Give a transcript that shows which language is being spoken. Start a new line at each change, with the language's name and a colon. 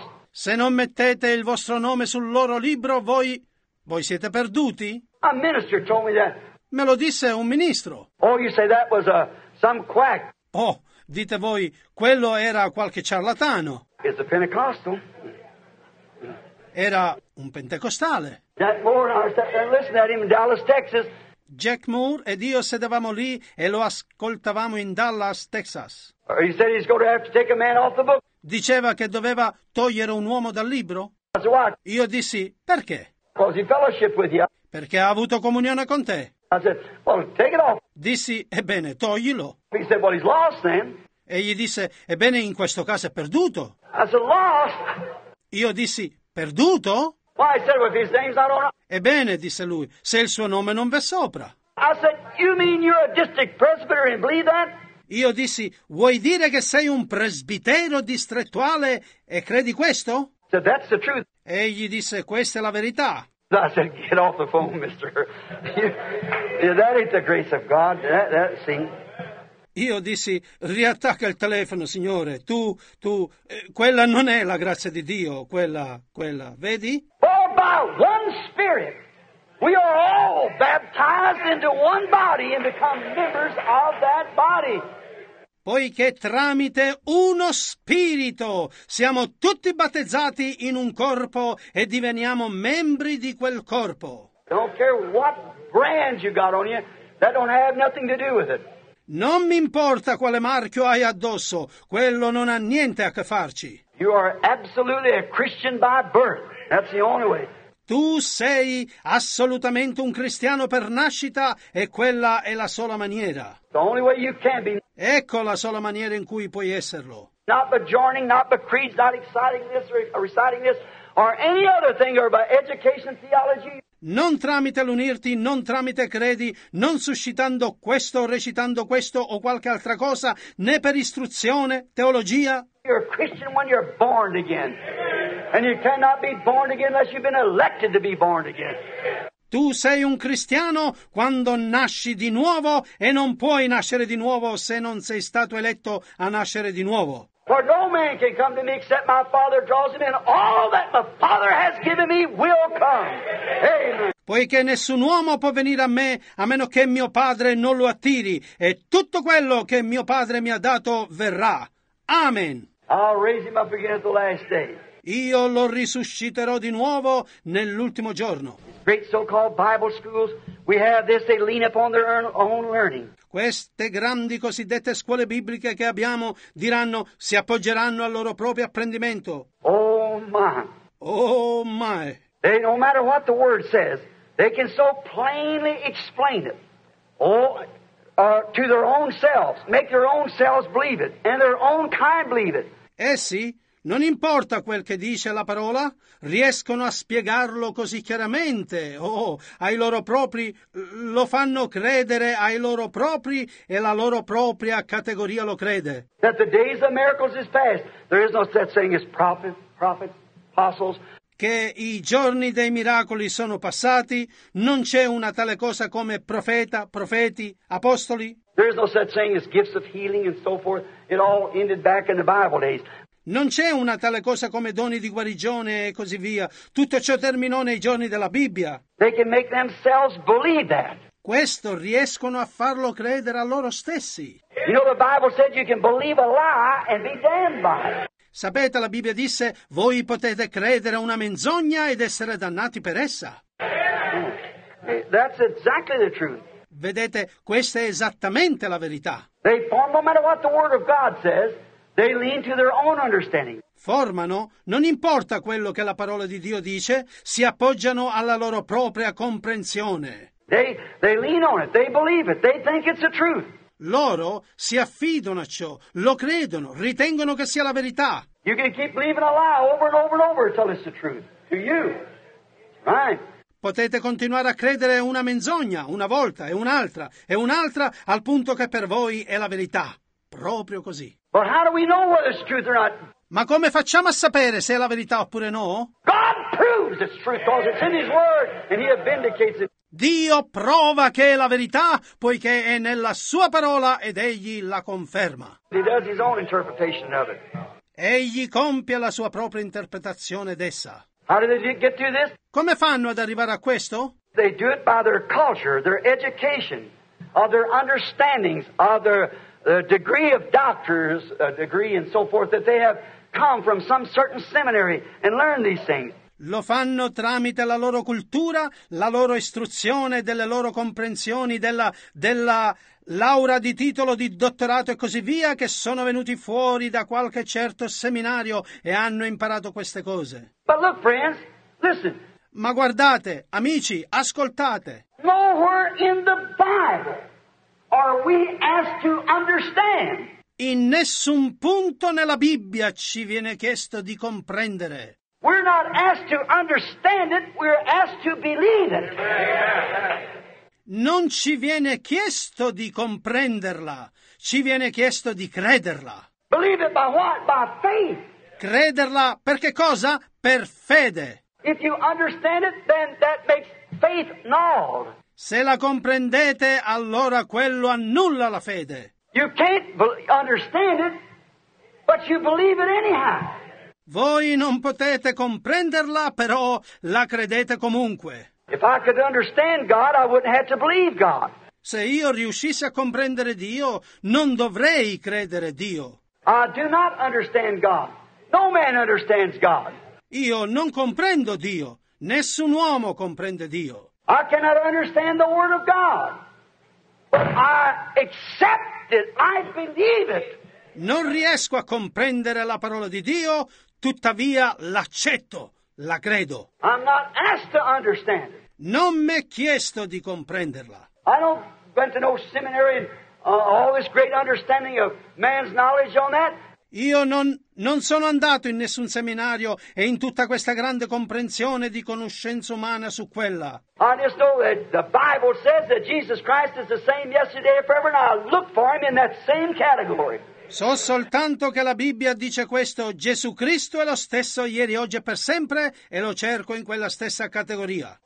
Italian: Se non mettete il vostro nome sul loro libro, voi siete perduti?
English: A minister told me that.
Italian: Me lo disse un ministro.
English: Oh, you say that was some quack.
Italian: Oh, dite voi, quello era qualche ciarlatano.
English: It's a Pentecostal.
Italian: Era un pentecostale.
English: That Lord, I sat there and listened at him in Dallas, Texas.
Italian: Jack Moore ed io sedevamo lì e lo ascoltavamo in Dallas, Texas.
English: He said he's going to have to take a man off the book.
Italian: Diceva che doveva togliere un uomo dal libro.
English: I said, why?
Italian: Io dissi, perché?
English: Because he fellowshiped with you.
Italian: Perché ha avuto comunione con te.
English: I said, well, take it off.
Italian: Dissi, ebbene, toglilo.
English: He said, well, he's lost then.
Italian: E gli disse, ebbene, in questo caso è perduto.
English: I said, lost.
Italian: Io dissi, perduto?
English: Why? I said, well, his name's not on.
Italian: Ebbene, disse lui, se il suo nome non v'è sopra.
English: I said, you mean you're a district presbyter and believe that?
Italian: Io dissi, vuoi dire che sei un presbitero distrettuale e credi questo?
English: So that's the truth.
Italian: Egli disse, questa è la verità.
English: I said, get off the phone, mister. That ain't the grace of God. That see.
Italian: Io dissi, riattacca il telefono, signore. Tu, quella non è la grazia di Dio, quella, vedi?
English: By one spirit, we are all baptized into one body and become members of that body.
Italian: poiché tramite uno spirito siamo tutti battezzati in un corpo e diveniamo membri di quel corpo.
English: Don't care what brand you got on you, that don't have nothing to do with it.
Italian: Non mi importa quale marchio hai addosso, quello non ha niente a che farci.
English: You are absolutely a Christian by birth. That's the only way.
Italian: Tu sei assolutamente un cristiano per nascita e quella è la sola maniera.
English: The only way you can be.
Italian: Ecco la sola maniera in cui puoi esserlo.
English: Not by joining, not by creeds, not exciting this, reciting this, or any other thing, or by education, theology.
Italian: Non tramite l'unirti, non tramite credi, non suscitando questo, recitando questo o qualche altra cosa, né per istruzione, teologia.
English: You're a Christian when you're born again. And you cannot be born again unless you've been elected to be born again.
Italian: Tu sei un cristiano quando nasci di nuovo e non puoi nascere di nuovo se non sei stato eletto a nascere di nuovo.
English: For no man can come to me except my Father draws him, and all that the Father has given me will come. Amen.
Italian: Poiché nessun uomo può venire a me a meno che mio Padre non lo attiri, e tutto quello che mio Padre mi ha dato verrà. Amen.
English: I'll raise him up again at the last day.
Italian: Io lo risusciterò di nuovo nell'ultimo giorno.
English: Great so-called Bible schools, we have this, they lean upon their own learning.
Italian: Queste grandi cosiddette scuole bibliche che abbiamo diranno, si appoggeranno al loro proprio apprendimento.
English: Oh my. Oh my. They, no matter what the word says, they can so plainly explain it. Oh, to their own selves, make their own selves believe it, and their own kind believe it.
Italian: Essi, non importa quel che dice la parola, riescono a spiegarlo così chiaramente, oh, ai loro propri, lo fanno credere ai loro propri e la loro propria categoria lo crede.
English: That the days of miracles is past. There is no such thing as prophets, apostles.
Italian: Che i giorni dei miracoli sono passati, non c'è una tale cosa come profeta, profeti, apostoli.
English: There is no such thing as gifts of healing and so forth. It all ended back in the Bible days.
Italian: Non c'è una tale cosa come doni di guarigione e così via. Tutto ciò terminò nei giorni della Bibbia.
English: They can make themselves believe that.
Italian: Questo riescono a farlo credere a loro stessi.
English: You know, the Bible said you can believe a lie and be damned by it.
Italian: Sapete, la Bibbia disse, voi potete credere a una menzogna ed essere dannati per essa.
English: That's exactly the truth.
Italian: Vedete, questa è esattamente la verità.
English: They form, no matter what the Word of God says, they lean to their own understanding.
Italian: Formano, non importa quello che la parola di Dio dice, si appoggiano alla loro propria comprensione.
English: They lean on it, they believe it, they think it's the truth.
Italian: Loro si affidano a ciò, lo credono, ritengono che sia la verità.
English: You can keep believing a lie over and over and over until it's the truth to you. Right?
Italian: Potete continuare a credere una menzogna una volta e un'altra al punto che per voi è la verità. Proprio così.
English: But how do we know whether it's truth or not?
Italian: Ma come facciamo a sapere se è la verità oppure no?
English: God proves it's truth because it's in His Word and He vindicates it.
Italian: Dio prova che è la verità poiché è nella Sua parola ed Egli la conferma.
English: He does His own interpretation of it.
Italian: Egli compie la sua propria interpretazione d'essa.
English: How do they get through this?
Italian: Come fanno ad arrivare a questo?
English: They do it by their culture, their education, of their understandings, of their the degree of doctors, degree and so forth, that they have come from some certain seminary and learned these things.
Italian: Lo fanno tramite la loro cultura, la loro istruzione, delle loro comprensioni, della laurea di titolo, di dottorato e così via, che sono venuti fuori da qualche certo seminario e hanno imparato queste cose.
English: But look, friends, listen.
Italian: Ma guardate, amici, ascoltate.
English: Nowhere in the Bible are we asked to understand.
Italian: In nessun punto nella Bibbia ci viene chiesto di comprendere.
English: We're not asked to understand it, we're asked to believe it.
Italian: Non ci viene chiesto di comprenderla, ci viene chiesto di crederla.
English: Believe it by what? By faith.
Italian: Crederla per che cosa? Per fede.
English: If you understand it, then that makes faith null.
Italian: Se la comprendete, allora quello annulla la fede.
English: You can't understand it, but you believe it anyhow.
Italian: Voi non potete comprenderla, però la credete comunque.
English: If I could understand God, I wouldn't have to believe God.
Italian: Se io riuscissi a comprendere Dio, non dovrei credere Dio.
English: I do not understand God. No man understands God.
Italian: Io non comprendo Dio. Nessun uomo comprende Dio.
English: I cannot understand the word of God. But I accept it. I believe it.
Italian: Non riesco a comprendere la parola di Dio, tuttavia l'accetto, la credo.
English: I'm not asked to understand it.
Italian: Non mi è chiesto di comprenderla.
English: I don't go to no seminary and all this great understanding of man's knowledge on that.
Italian: Io non sono andato in nessun seminario e in tutta questa grande comprensione di conoscenza umana su quella.
English: I just know that the Bible says that Jesus Christ is the same yesterday and forever, and I look for him in that same category.
Italian: So soltanto che la Bibbia dice questo: Gesù Cristo è lo stesso ieri, oggi e per sempre, e lo cerco in quella stessa categoria.